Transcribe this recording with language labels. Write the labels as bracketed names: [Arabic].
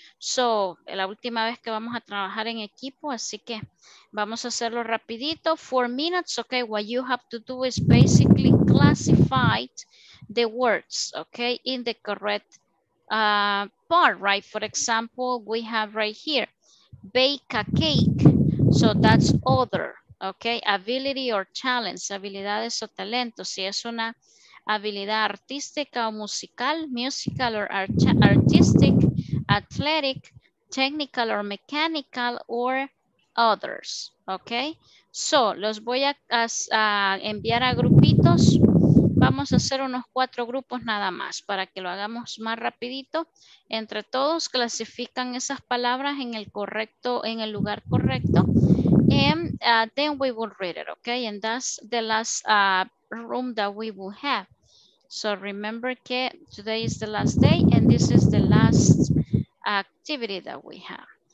[Spanish] So, la última vez que vamos a trabajar en equipo, así que vamos a hacerlo rapidito. [English] 4 minutes, okay? What you have to do is basically classify the words, okay? In the correct part, right? For example, we have right here, bake a cake. So that's other, okay? Ability or talents, [Spanish] habilidades o talentos. [English] Si es una habilidad artística o musical, musical or artistic, athletic, technical or mechanical, or others, okay? [Spanish] So, los voy a enviar a grupitos. Vamos a hacer unos 4 grupos nada más para que lo hagamos más rapidito. Entre todos, clasifican esas palabras en el correcto, en el lugar correcto. [English] And then we will read it, okay? And that's the last room that we will have. So, remember que today is the last day and this is the last activity that we have.